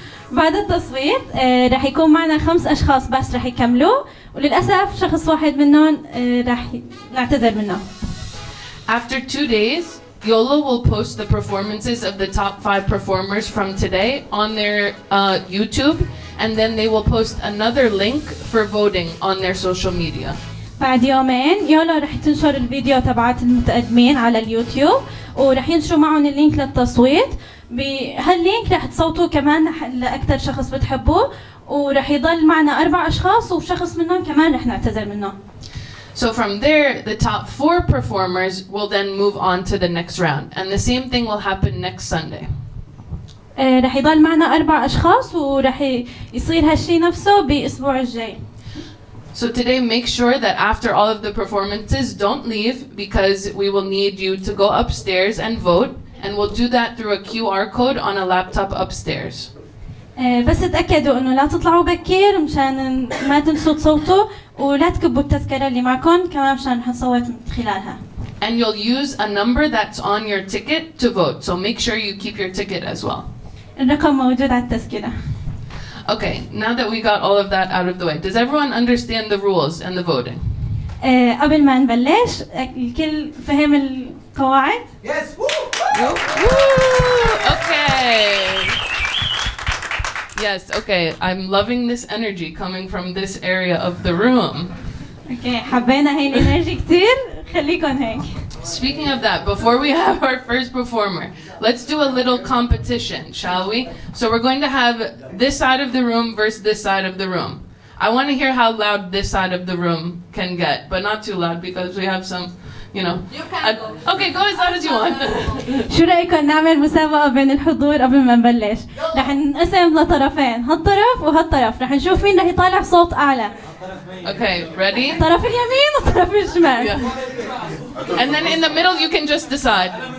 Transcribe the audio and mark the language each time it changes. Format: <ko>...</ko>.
<ar>بعد التصويت رح يكون معنا 5 أشخاص بس رح يكملوا وللأسف شخص واحد منهم رح نعتذر منه.</ar> <en>After 2 days YOLO will post the performances of the top 5 performers from today on their YouTube and then they will post another link for voting on their social media.</en> <ar>بعد يومين YOLO رح تنشر الفيديو تبعات المتقدمين على اليوتيوب ورح ينشروا معهم اللينك للتصويت. بهاللينك رح تصوتوا كمان لأكثر شخص بتحبوه ورح يضل معنا 4 أشخاص وشخص منهم كمان رح نعتذر منه.</ar> <en>So from there the top 4 performers will then move on to the next round and the same thing will happen next Sunday.</en> <ar>رح يضل معنا 4 أشخاص ورح يصير هالشي نفسه بأسبوع الجاي.</ar> <en>So today make sure that after all of the performances don't leave because we will need you to go upstairs and vote. And we'll do that through a QR code on a laptop upstairs.</en> <ar>بس اتأكدوا إنه لا تطلعوا بكير مشان ما تنسوا تصوتوا ولا تكبوا التذكرة اللي معكم كمان مشان حنصوت من خلالها.</ar> <en>And you'll use a number that's on your ticket to vote. So make sure you keep your ticket as well.</en> <ar>الرقم موجود على التذكرة.</ar> <en>Okay, now that we got all of that out of the way, does everyone understand the rules and the voting?</en> <ar>قبل ما نبلش الكل فهم القواعد؟</ar> <en>Yes. Woo! Okay. Yes, okay. I'm loving this energy coming from this area of the room.</en> <ar>Okay, حبينا هاي الانرجي كثير. خليكم هيك.</ar> <en>Speaking of that, before we have our first performer, let's do a little competition, shall we? So we're going to have this side of the room versus this side of the room. I want to hear how loud this side of the room can get, but not too loud because we have some You can go. Okay, go as loud as you want.</en> <ar>شو رأيكم نعمل مسابقة بين الحضور قبل ما نبلش؟ رح نقسم لطرفين، هالطرف وهالطرف، رح نشوف مين رح يطالع صوت أعلى.</ar> <en>Okay, ready?</en> <ar>الطرف اليمين والطرف الشمال.</ar> <en>And then in the middle you can just decide.</en>